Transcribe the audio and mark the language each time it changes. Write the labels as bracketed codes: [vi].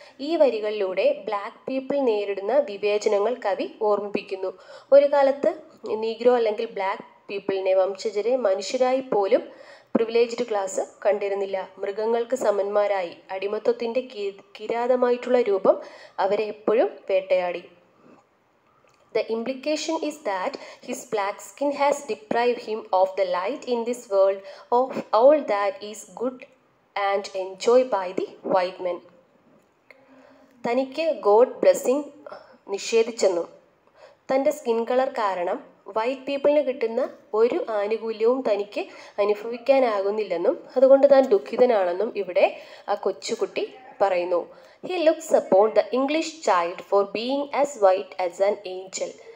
[ml] ഈ വരികളിലൂടെ black people നേരിടുന്ന വിവേചനങ്ങൾ കവി ഓർമ്മിപ്പിക്കുന്നു. ഒരു കാലത്ത് നീഗ്രോ അല്ലെങ്കിൽ ബ്ലാക്ക് പീപ്പിളിനെ, വംശജരെ മനുഷ്യരായി പോലും പ്രിവിലേജ്ഡ് ക്ലാസ് കണ്ടിരുന്നില്ല. മൃഗങ്ങൾക്ക് സമന്മാരായി അടിമത്തത്തിൻ്റെ കിരാതമായിട്ടുള്ള രൂപം അവരെ എപ്പോഴും വേട്ടയാടി. [en] The implication is that his black skin has deprived him of the light in this world of all that is good and enjoyed by the white men. [ml] തനിക്ക് God blessing നിഷേധിച്ചെന്നും തൻ്റെ skin colour കാരണം white പീപ്പിളിന് കിട്ടുന്ന ഒരു ആനുകൂല്യവും തനിക്ക് അനുഭവിക്കാനാകുന്നില്ലെന്നും അതുകൊണ്ട് താൻ ദുഃഖിതനാണെന്നും ഇവിടെ ആ കൊച്ചുകുട്ടി പറയുന്നു. [en] He looks upon the English child for being as white as an angel.